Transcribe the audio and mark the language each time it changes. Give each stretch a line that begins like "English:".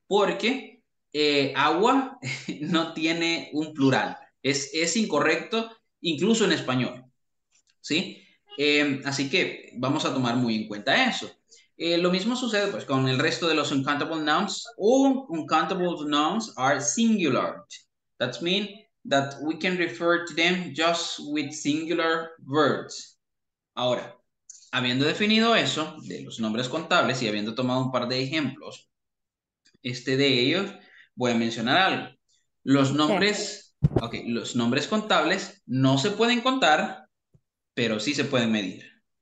Spanish: Porque agua no tiene un plural. Es incorrecto, incluso en español, ¿sí? Así que vamos a tomar muy en cuenta eso. Lo mismo sucede, pues, con el resto de los uncountable nouns.
English: All uncountable nouns are singular. That means that we can refer to them just with singular verbs.
Spanish: Ahora, habiendo definido eso, de los nombres contables, y habiendo tomado un par de ejemplos, de ellos, voy a mencionar algo. Los nombres contables no se pueden contar, pero sí se pueden medir.